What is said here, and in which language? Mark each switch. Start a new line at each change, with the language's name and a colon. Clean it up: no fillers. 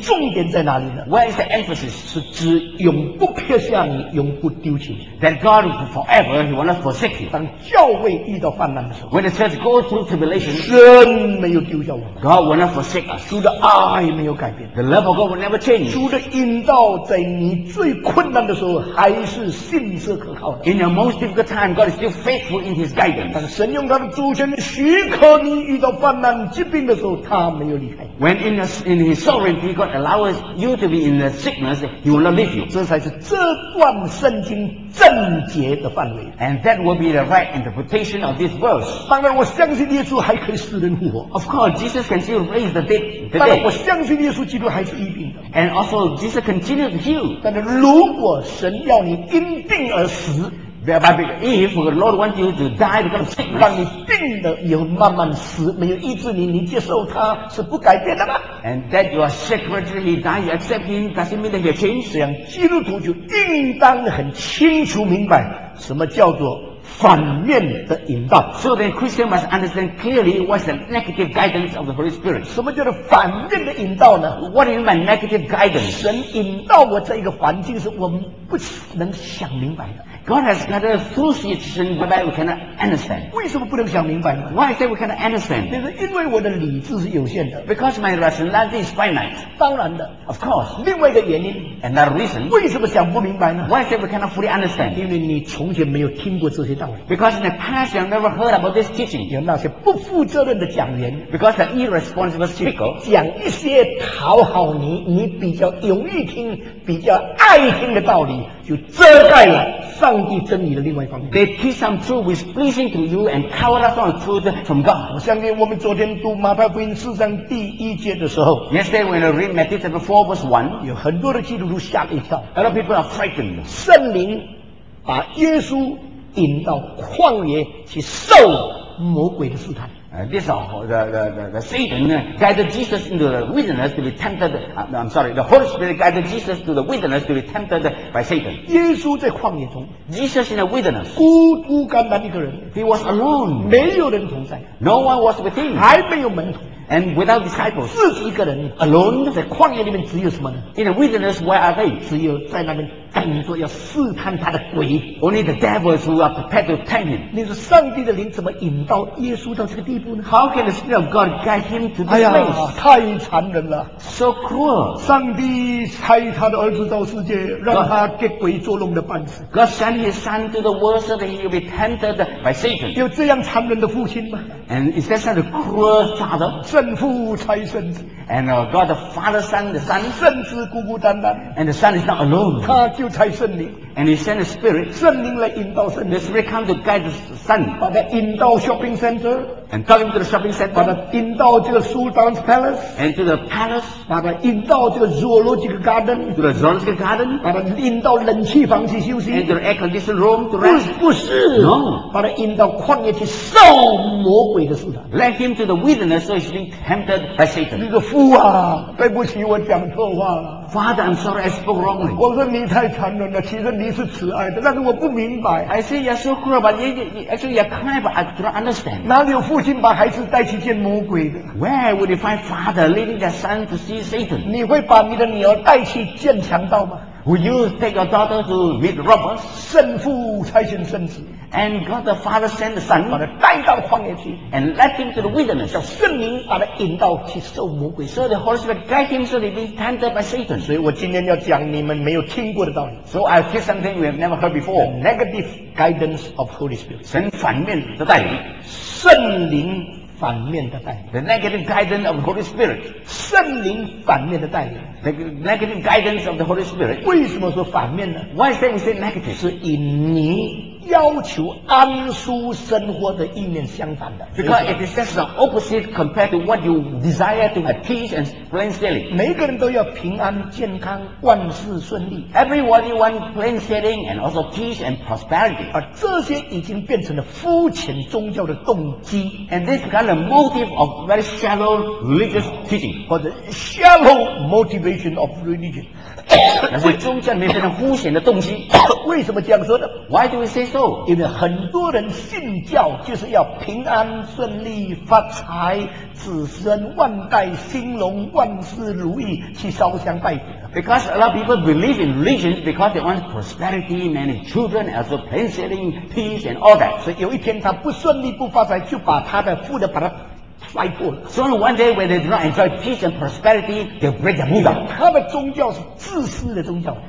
Chinese: 重点在哪里呢
English: ？Where is the emphasis?
Chinese: 是指永不撇下你，永不丢弃。
English: That God forever He will not forsake you.
Chinese: 当教会遇到患难的时候
English: ，When the church goes through tribulation,
Chinese: 神没有丢下我们。
English: God will not forsake us.
Chinese: 主的爱没有改变。
English: The love of God will never change.
Chinese: 主的引导在你最困难的时候还是信实可靠的。
English: In your most difficult time, God is still faithful in His guidance.
Chinese: 当神用他的主权许可你遇到患难疾病的时候，他没有离开。
English: When in His sovereignty, God allows you to be in the sickness, He will not leave you.
Chinese: 这才是这段圣经正解的范围。
English: And that will be the right interpretation of this verse.
Chinese: 当然，我相信耶稣还可以使人复活。
English: Of course, Jesus can still raise the dead.
Chinese: 当然，我相信耶稣基督还是医病的。
English: And also, Jesus continues to heal.
Chinese: 但是，如果神要你因病而死。
English: Thereby, if the Lord wants you to die because of sickness,
Chinese: 让你病了以后慢慢死，没有医治你，你接受他是不改变的吗
English: ？And that you are sick until he dies, you accept him, doesn't mean that he changes.
Chinese: 这样基督徒就应当很清楚明白什么叫做反面的引导。
English: So then, Christian must understand clearly what's the negative guidance of the Holy Spirit.
Chinese: 什么叫做反面的引导呢
English: ？What is my negative guidance?
Chinese: 神引导我这一个环境是我们不能想明白的。
English: God has got a through situation whereby we cannot understand.
Chinese: 为什么不能想明白呢
English: ？Why is that we cannot understand?
Chinese: 那是因为我的理智是有限的。
English: Because my rationality is finite.
Chinese: 当然的
English: ，of course.
Chinese: 另外一个原因
English: ，another reason.
Chinese: 为什么想不明白呢
English: ？Why is that we cannot fully understand?
Chinese: 因为你从前没有听过这些。些道理。
English: Because in the past you never heard about this teaching.
Chinese: 有那些不负责任的讲员。
English: Because the irresponsible speaker.
Chinese: 讲一些讨好你，你比较容易听、比较爱听的道理，就遮盖了上帝真理的另外一方面。
English: They teach some truth which pleasing to you and cover up some truth from God.
Chinese: 我相信我们昨天读马太福音四章第一节的时候。
English: Yesterday when we read Matthew chapter 4 verse 1,
Chinese: 有很多的基督徒吓了一跳。
English: A lot of people are frightened.
Chinese: 圣灵把耶稣引到旷野去受魔鬼的试探。
English: The Satan guided Jesus into the wilderness to be tempted. I'm sorry. The Holy Spirit guided Jesus to the wilderness to be tempted by Satan.
Chinese: 耶稣在旷野中。
English: Jesus in the wilderness.
Chinese: 孤孤单单一个人。
English: He was alone.
Chinese: 没有人同在。
English: No one was with him.
Chinese: 还没有门徒。
English: And without disciples.
Chinese: 自己一个人。
English: Alone.
Chinese: 在旷野里面只有什么呢？
English: In the wilderness, where are they?
Chinese: 只有在那边。等着要试探他的鬼。
English: Only the devils who are prepared to tempt him.
Chinese: 你说上帝的灵怎么引导耶稣到这个地步呢？
English: How can the Spirit of God guide him to this place?
Chinese: 哎呀，太残忍了。
English: So cruel.
Chinese: 上帝差他的儿子到世界，让他给鬼捉弄的半死。
English: God sent his son to the world so that he will be tempted by Satan.
Chinese: 有这样残忍的父亲吗？
English: And is that such a cruel father?
Chinese: 圣父差圣子。
English: And God the Father sent the Son.
Chinese: 圣子孤孤单单。
English: And the Son is not alone.
Chinese: 他就差圣灵。
English: And he sent the Spirit.
Chinese: 圣灵来引导圣子。
English: The Spirit come to guide the Son.
Chinese: 把他引导
English: shopping center. And got him to the shopping center.
Chinese: 把他引导这个 Sultan's Palace.
English: And to the palace.
Chinese: 把他引导这个 Zoological Garden.
English: To the Zoological Garden.
Chinese: 把他引导冷气房去休息。
English: And to the air-conditioned room to rest.
Chinese: 不是。
English: No.
Chinese: 把他引导旷野去受魔鬼的试探。
English: Let him to the wilderness so he's being tempted by Satan.
Chinese: 那个父啊，对不起，我讲错话了。
English: Father, I'm sorry, I spoke wrongly.
Chinese: 我说你太残忍了，其实你是慈爱的，但是我不明白。
English: I say you're so cruel, but actually you're kind, but I don't understand.
Chinese: 哪里有父亲把孩子带去见魔鬼的？
English: Where would you find father leading their son to see Satan?
Chinese: 你会把你的女儿带去见强盗吗？
English: Would you take your daughter to meet robbers?
Chinese: 圣父差遣圣子。
English: And God the Father sent the Son,
Chinese: 把他带到旷野去
English: and led him to the wilderness.
Chinese: 叫圣灵把他引导去受魔鬼。
English: So the Holy Spirit guide him so that he be tempted by Satan.
Chinese: 所以我今天要讲你们没有听过的道理。
English: So I'll teach something we have never heard before. The negative guidance of Holy Spirit.
Chinese: 神反面的带领。圣灵反面的带领。
English: The negative guidance of Holy Spirit.
Chinese: 圣灵反面的带领。
English: The negative guidance of the Holy Spirit.
Chinese: 为什么说反面呢？
English: Why is that we say negative?
Chinese: 是因你要求安舒生活的意念相反的。
English: Because it is just the opposite compared to what you desire to have peace and plain sailing.
Chinese: 每个人都要平安健康万事顺利。
English: Everybody want plain sailing and also peace and prosperity.
Chinese: 而这些已经变成了肤浅宗教的动机。
English: And this kind of motive of very shallow religious teaching.
Chinese: 或者
English: shallow motivation of religion.
Chinese: 那是宗教里面变成肤浅的动机。为什么这样说呢？
English: Why do we say so?
Chinese: 因为很多人信教就是要平安顺利发财子孙万代兴隆万事如意去烧香拜佛。
English: Because a lot of people believe in religion because they want prosperity, many children, also plain sailing, peace and all that.
Chinese: 所以有一天他不顺利不发财，就把他的富的把他摔破了。
English: So one day when they do not enjoy peace and prosperity, they break their mood up.
Chinese: 他们宗教是自私的宗教。